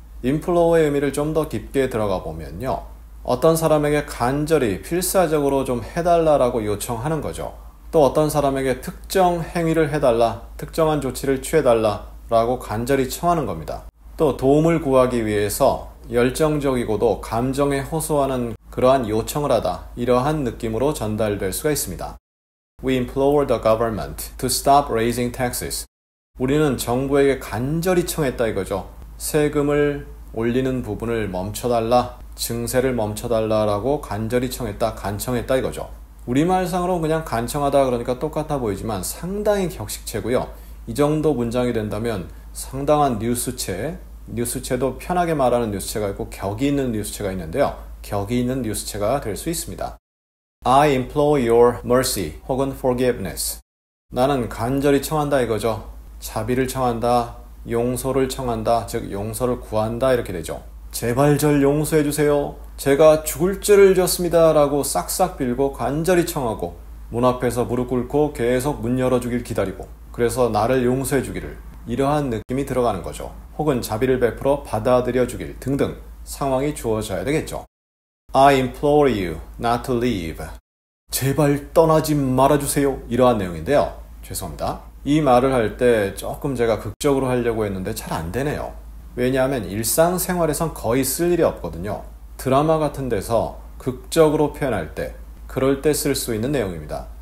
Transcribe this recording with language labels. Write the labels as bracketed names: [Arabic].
[Korean] implore의 의미를 좀 더 깊게 들어가 보면요. 어떤 사람에게 간절히 필사적으로 좀 해달라라고 요청하는 거죠. 또 어떤 사람에게 특정 행위를 해달라, 특정한 조치를 취해달라라고 간절히 청하는 겁니다. 또 도움을 구하기 위해서 열정적이고도 감정에 호소하는 그러한 요청을 하다 이러한 느낌으로 전달될 수가 있습니다. [English] We implore the government to stop raising taxes. [Korean] 우리는 정부에게 간절히 청했다 이거죠. 세금을 올리는 부분을 멈춰달라, 증세를 멈춰달라라고 간절히 청했다, 간청했다 이거죠. 우리말상으로 그냥 간청하다 그러니까 똑같아 보이지만 상당히 격식체고요. 이 정도 문장이 된다면 상당한 뉴스체, 뉴스체도 편하게 말하는 뉴스체가 있고 격이 있는 뉴스체가 있는데요. 격이 있는 뉴스체가 될 수 있습니다. [English] I implore your mercy [Korean] 혹은 [English] forgiveness. [Korean] 나는 간절히 청한다 이거죠. 자비를 청한다, 용서를 청한다, 즉 용서를 구한다 이렇게 되죠. 제발 절 용서해 주세요. 제가 죽을 죄를 졌습니다 라고 싹싹 빌고 간절히 청하고 문 앞에서 무릎 꿇고 계속 문 열어주길 기다리고 그래서 나를 용서해 주기를 이러한 느낌이 들어가는 거죠. 혹은 자비를 베풀어 받아들여 주길 등등 상황이 주어져야 되겠죠. [English] I implore you not to leave. [Korean] 제발 떠나지 말아주세요. 이러한 내용인데요. 죄송합니다. 이 말을 할 때 조금 제가 극적으로 하려고 했는데 잘 안 되네요. 왜냐하면 일상생활에선 거의 쓸 일이 없거든요. 드라마 같은 데서 극적으로 표현할 때 그럴 때 쓸 수 있는 내용입니다.